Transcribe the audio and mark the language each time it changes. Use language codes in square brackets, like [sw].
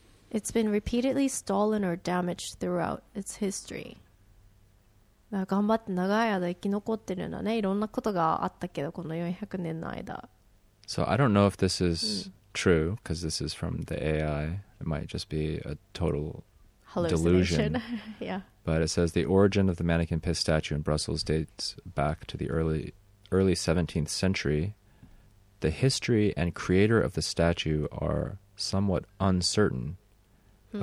[en] It's been repeatedly stolen or damaged throughout its history. [ja] 頑張って長い間生き残ってるんだね。いろんなことがあったけど、この400年の間。 [en] So I don't know if this is true, because this is from the AI. It might just be a total delusion. Yeah. But it says the origin of the mannequin piss statue in Brussels dates back to the early 17th century. The history and creator of the statue are somewhat uncertain. Mm.